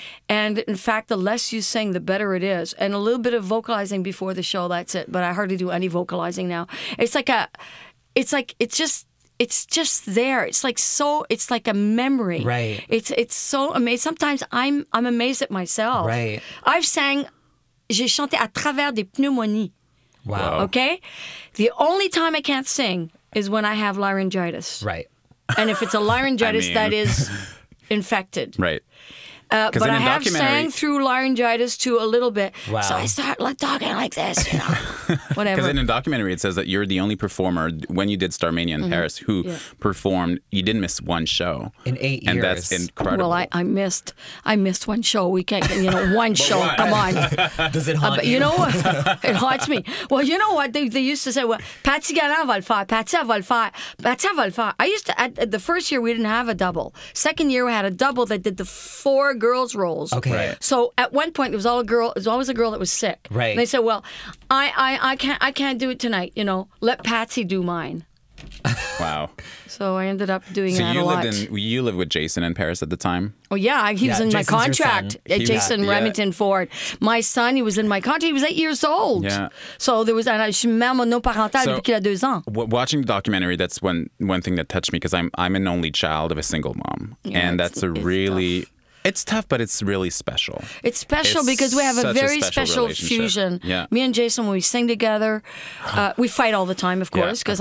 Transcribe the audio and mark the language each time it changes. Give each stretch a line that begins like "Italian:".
English: And in fact, the less you sing, the better it is. And a little bit of vocalizing before the show, that's it. But I hardly do any vocalizing now. It's just there. It's like a memory. Right. It's so amazing. Sometimes I'm amazed at myself. Right. I've sang,
French: j'ai chanté à travers des pneumonies.
English: Wow. Okay? The only time I can't sing is when I have laryngitis. Right. And if it's a laryngitis, that is infected. Right. But I have sang through laryngitis too a little bit. Wow. So I start like talking like this, you know. Whatever. Because in a documentary it says that you're the only performer when you did Starmania in mm-hmm. Paris who performed, you didn't miss one show. In 8 years. And that's incredible. Well, I missed one show. We can't, you know, one show. What? Come on. Does it haunt you? You know what? It haunts me. Well, you know what? They used to say, well,
French: Patsy Gallant va le faire.
English: Patsy va le faire. Patsy va le faire. I used to, at the first year, we didn't have a double. Second year, we had a double that did the 4 girls' roles. Okay. Right. So at one point, it was all a girl. It was always a girl that was sick. Right. And they said, well, I can't do it tonight, you know. Let Patsy do mine. Wow. So I ended up doing that a lot. So you lived with Jason in Paris at the time? Oh, yeah. He was in Jason's my contract. Jason Remington Ford. My son, he was in my contract. He was 8 years old. Yeah. So there was...
French: Je suis même non-parentale depuis qu'il a 2 ans.
English: Watching the documentary, that's one thing that touched me, because I'm an only child of a single mom. Yeah, and that's a really... Tough. It's tough, but it's really special. It's special because we have a very special fusion. Yeah. Me and Jason, when we sing together, we fight all the time, of course, because